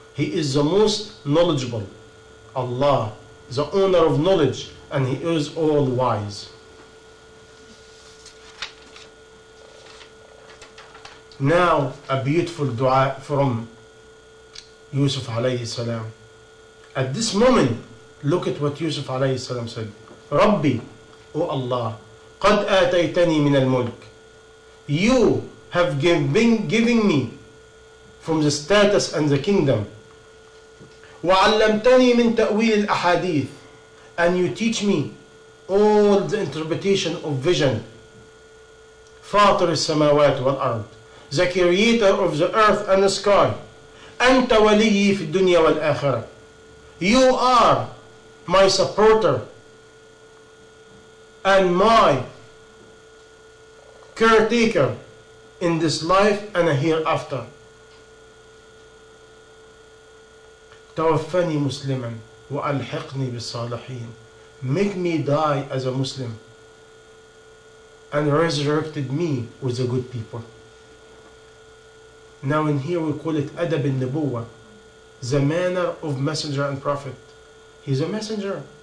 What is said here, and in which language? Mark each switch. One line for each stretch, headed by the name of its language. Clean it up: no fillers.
English: He is the most knowledgeable. Allah, the owner of knowledge, and He is all wise. Now, a beautiful dua from Yusuf alayhi salam. At this moment, look at what Yusuf alayhi salam said.
Arabic: Rabbi, O Allah, قد آتيتني من الملك.
English: You have given me from the status and the kingdom.
Arabic: وعلمتني من تأويل الأحاديث.
English: And you teach me all the interpretation of vision.
Arabic: فاطر السماوات والأرض.
English: The creator of the earth and the sky.
Arabic: أنت ولي في الدنيا والآخرة.
English: You are my supporter and my caretaker in this life and hereafter.
Arabic: توفني مسلما وألحقني بالصالحين.
English: Make me die as a Muslim and resurrected me with the good people. Now in here we call it adab al-nubuwa, the manner of messenger and prophet. He's a messenger.